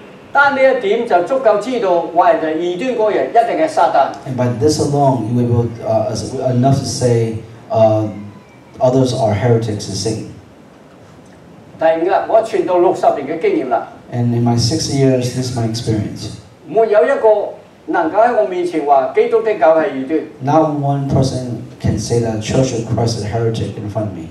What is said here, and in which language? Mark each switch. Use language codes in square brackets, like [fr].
[zh] 但這一點就足夠知道說人家異端的人一定是撒旦, [en] and by this alone you will be enough to say others are heretics and Satan. [zh] 但我傳道60年的經驗了, [en] and in my 6 years this is my experience. [zh] 沒有一個 能夠在我面前說基督的教是異端, [en] not one person can say that Church of Christ is a heretic in front of me.